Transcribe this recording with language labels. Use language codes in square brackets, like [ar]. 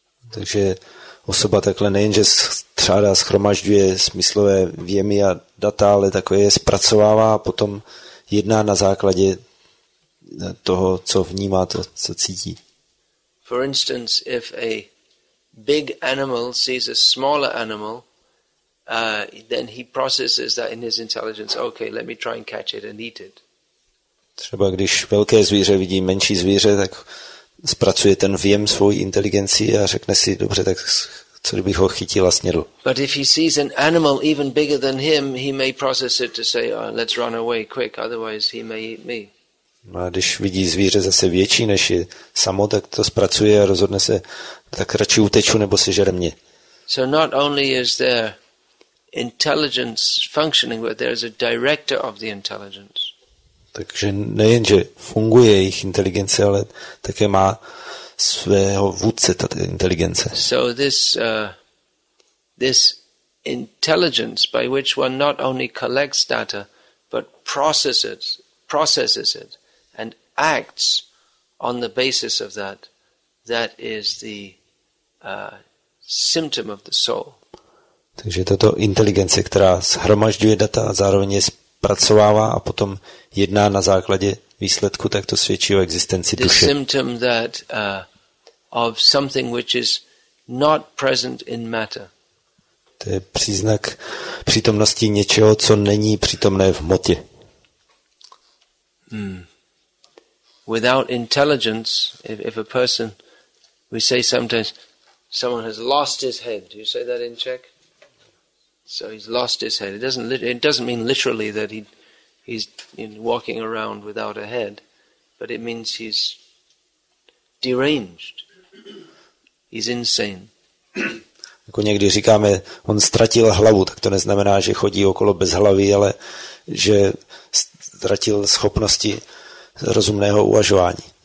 [cs] Takže osoba takhle nejenže střádá, schromažďuje smyslové vjemy a data, ale takové je zpracovává a potom jedná na základě toho, co vnímá, to, co cítí. [en] For instance, if a big animal sees a smaller animal, then he processes that in his intelligence. Okay, let me try and catch it and eat it. [cs] Třeba když velké zvíře vidí menší zvíře, tak zpracuje ten vjem svou inteligenci a řekne si, dobře, tak co kdybych ho chytil a snědl. [en] But if he sees an animal even bigger than him, he may process it to say, oh, let's run away quick, otherwise he may eat me. [cs] No a když vidí zvíře zase větší než je samo, tak to zpracuje a rozhodne se, tak radši uteču nebo sežere mě. [en] So not only is there intelligence functioning, but there is a director of the intelligence. [cs] Takže nejenže funguje jejich inteligence, ale také má svého vůdce ta inteligence. [en] So this intelligence by which one not only collects data, but processes it. And acts on the basis of that is the symptom of the soul. [cs] Takže tato inteligence, která shromažďuje data, zároveň je zpracovává a potom jedná na základě výsledku, tak to svědčí o existenci [en] the [cs] duše. [en] Symptom that of something which is not present in matter. [cs] To je příznak přítomnosti něčeho, co není přítomné v hmotě. [en] Without intelligence, if a person, we say sometimes, someone has lost his head. Do you say that in Czech? So he's lost his head. It doesn't mean literally that he's walking around without a head, but it means he's deranged. He's insane. [cs] Jako někdy říkáme, on ztratil hlavu, tak to neznamená, že chodí okolo bez hlavy, ale že ztratil schopnosti rozumného uvažování.